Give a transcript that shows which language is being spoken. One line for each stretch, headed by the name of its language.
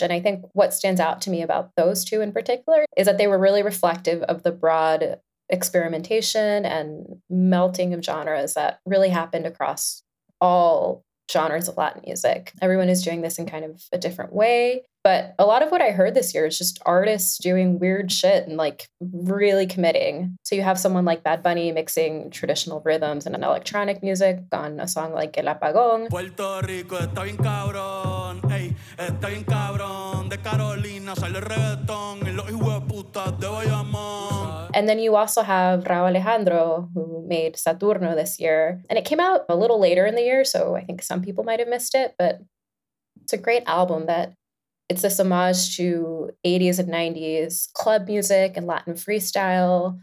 English: And I think what stands out to me about those two in particular is that they were really reflective of the broad experimentation and melting of genres that really happened across all genres of Latin music. Everyone is doing this in kind of a different way. But a lot of what I heard this year is just artists doing weird shit and like really committing. So you have someone like Bad Bunny mixing traditional rhythms and electronic music on a song like El Apagón.
Spanish: Puerto Rico está bien cabrón, ey, está bien cabrón. De Carolina sale el reggaetón y los hijos de puta de Bayamón.
English: And then you also have Rauw Alejandro, who made Saturno this year. And it came out a little later in the year, so I think some people might have missed it. But it's a great album that it's this homage to 80s and 90s club music and Latin freestyle.